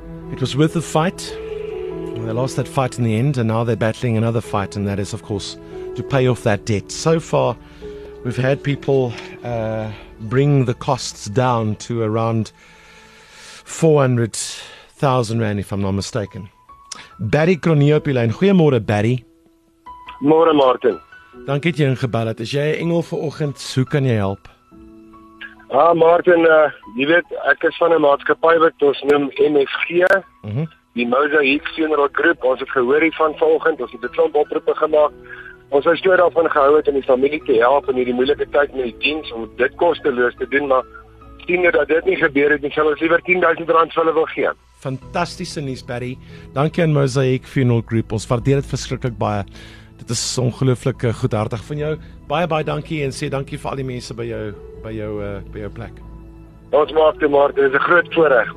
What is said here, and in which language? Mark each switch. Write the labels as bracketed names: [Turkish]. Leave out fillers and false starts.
[English] It was worth the fight. They lost that fight in the end, and now they're battling another fight, and that is, of course, to pay off that debt. So far, we've had people bring the costs down to around 400,000 rand, if I'm not mistaken. [Afrikaans] Barry Kroniopilein, goeiemôre Barry. Môre Martin. Dankie dat jy ingebel het. Is jy 'n engel vir oggend? Hoe kan jy help? Ah Martin, jy weet, ek is van 'n maatskappy wat ons noem MFG, die Mosaic Funeral Group. Ons het gehoor hiervan vanoggend, ons het 'n klomp oproepe gemaak. Ons het stoor daarvan gehou het om die familie te help in hierdie moeilike tyd met die diens, om dit kosteloos te doen, maar sien dat dit nie gebeur het, en sal ons liever R10,000 vir hulle wil gee. Fantastiese nuus, Barry. Dankie aan Mosaic Funeral Group. Ons waardeer dit verskriklik baie. Dit is ongelooflik goedhartig van jou. Baie baie dankie en sê dankie vir al die mense by jou plek. Ons maak Martin, dit is 'n groot voorreg.